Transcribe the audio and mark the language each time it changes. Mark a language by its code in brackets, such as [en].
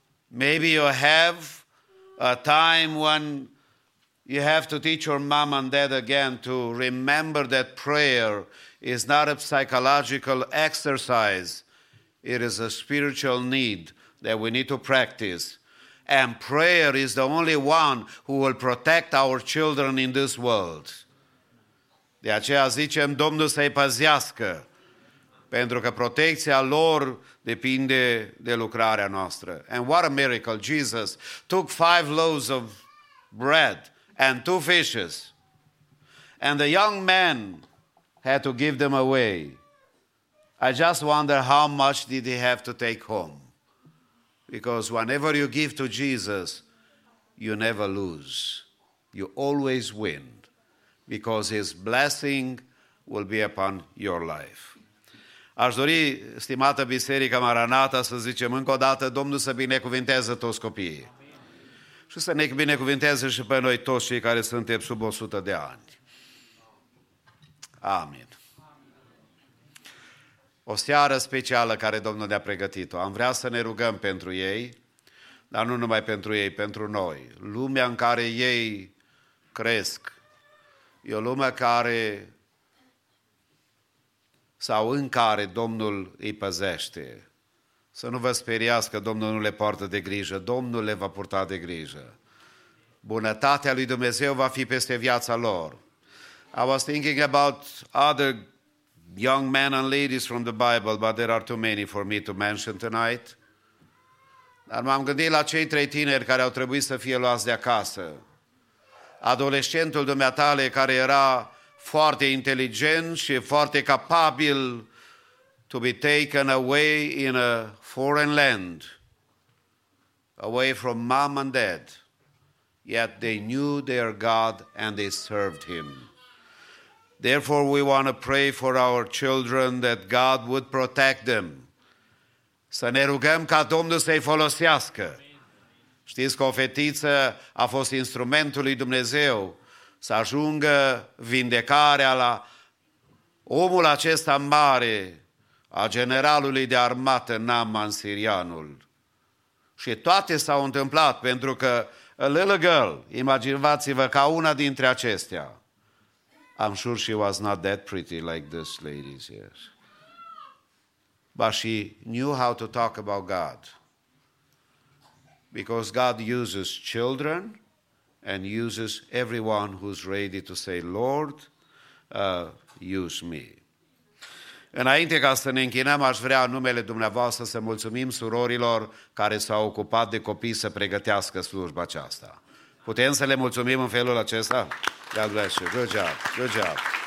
[en] Maybe you have a time when you have to teach your mom and dad again to remember that prayer is not a psychological exercise. It is a spiritual need that we need to practice. And prayer is the only one who will protect our children in this world. [ro] De aceea zicem, Domnul să-i păzească, pentru că protecția lor depinde de lucrarea noastră. [en] And what a miracle. Jesus took 5 loaves of bread and 2 fishes, and the young man had to give them away. I just wonder how much did he have to take home? Because whenever you give to Jesus, you never lose. You always win, because his blessing will be upon your life. [ro] Aș dori, stimată Biserica Maranata, să zicem încă o dată, Domnul să binecuvinteze toți copiii. Și să ne binecuvinteze și pe noi toți cei care suntem sub 100 de ani. Amin. O seară specială care Domnul ne-a pregătit-o. Am vrea să ne rugăm pentru ei, dar nu numai pentru ei, pentru noi. Lumea în care ei cresc e o lume care, sau în care Domnul îi păzește. Să nu vă speriați că Domnul nu le poartă de grijă. Domnul le va purta de grijă. Bunătatea lui Dumnezeu va fi peste viața lor. [en] I was thinking about other young men and ladies from the Bible, but there are too many for me to mention tonight. [ro] Dar m-am gândit la cei trei tineri care au trebuit să fie luați de acasă. Adolescentul dumneatale care era foarte inteligent și foarte capabil [en] to be taken away in a foreign land, away from mom and dad. Yet they knew their God and they served him. Therefore, we want to pray for our children that God would protect them. [ro] Să ne rugăm ca Domnul să-i folosească. Știți că o fetiță a fost instrumentul lui Dumnezeu să ajungă vindecarea la omul acesta mare a generalului de armată Naaman Sirianul. Și toate s-au întâmplat pentru că [en] a little girl, [ro] imaginați-vă ca una dintre acestea. [en] I'm sure she was not that pretty like this lady here. But she knew how to talk about God. Because God uses children and uses everyone who's ready to say, Lord, use me. [ro] Înainte ca să ne închinăm, aș vrea în numele dumneavoastră să mulțumim surorilor care s-au ocupat de copii să pregătească slujba aceasta. Putem să le mulțumim în felul acesta? [en] God bless you. Good job. [ro] Good job.